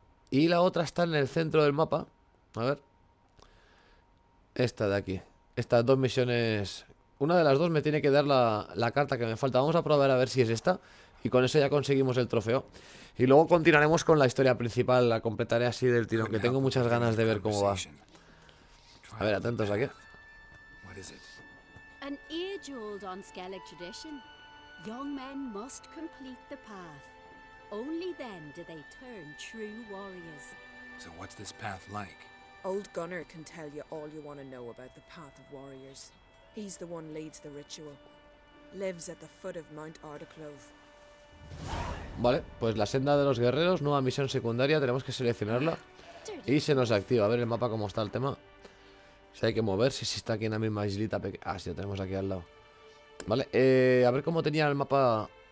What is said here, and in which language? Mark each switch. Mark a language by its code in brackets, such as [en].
[es] Y la otra está en el centro del mapa. A ver. Esta de aquí. Estas 2 misiones. Una de las dos me tiene que dar la carta que me falta. Vamos a probar a ver si es esta. Y con eso ya conseguimos el trofeo. Y luego continuaremos con la historia principal. La completaré así del tirón, que tengo muchas ganas de ver cómo va. A ver, atentos aquí. [en] An age-old on Skellig tradition, young men must complete the path. Only then do they turn true warriors. So what's this path like? Old Gunnar can tell you all you want to know about the path of warriors. He's the one leads the ritual. Lives at the foot of Mount Ardaclove. [es] Vale, pues la senda de los guerreros, nueva misión secundaria, tenemos que seleccionarla. Y se nos activa. A ver el mapa cómo está el tema. Si hay que mover, si está aquí en la misma islita pequeña. Ah, sí, lo tenemos aquí al lado. Vale, a ver cómo tenía el mapa.